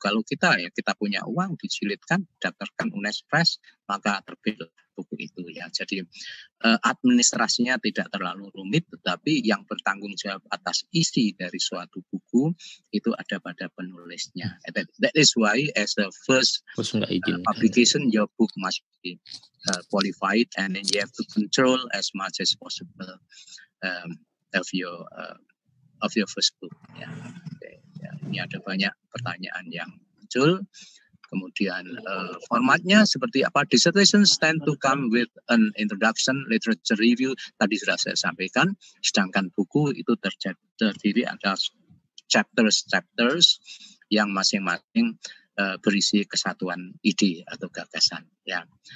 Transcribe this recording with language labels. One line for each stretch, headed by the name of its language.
Indonesian: Kalau kita ya, kita punya uang, dijilidkan, daftarkan UNES Press, maka terbit buku itu ya. Jadi administrasinya tidak terlalu rumit, tetapi yang bertanggung jawab atas isi dari suatu buku itu ada pada penulisnya.
English: That is why as the first publication, your book must be qualified, and then you have to control as much as possible of your first book. Yeah. Okay. Yeah.
Indonesian: Ini ada banyak pertanyaan yang muncul. Kemudian formatnya seperti apa?
English: Dissertations tend to come with an introduction, literature review,
Indonesian: tadi sudah saya sampaikan. Sedangkan buku itu terdiri atas chapters-chapters yang masing-masing berisi kesatuan ide atau gagasan. Ya.